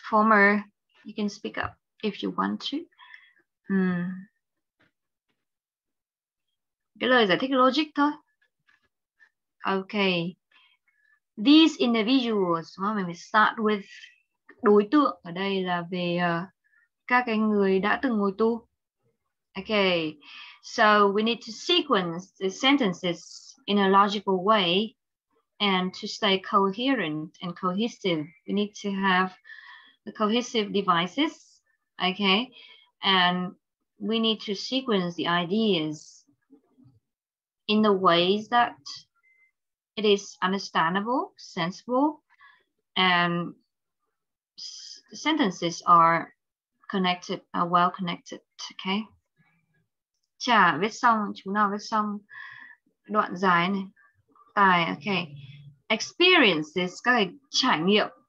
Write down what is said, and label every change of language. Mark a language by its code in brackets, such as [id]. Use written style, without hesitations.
[en] Former, you can speak up if you want to. [vi] Cái lời giải thích logic thôi. Okay. [en] These individuals, when we start with [vi] đối tượng ở đây là về các cái người đã từng ngồi tù. [en] Okay, so we need to sequence the sentences in a logical way and to stay coherent and cohesive. We need to have the cohesive devices, okay? And we need to sequence the ideas in the ways that it is understandable, sensible, and sentences are connected, are well connected, okay? [vi] Chà, viết xong, chú nào viết xong đoạn dài này. Tài, okay. Experiences, các cái trải nghiệm.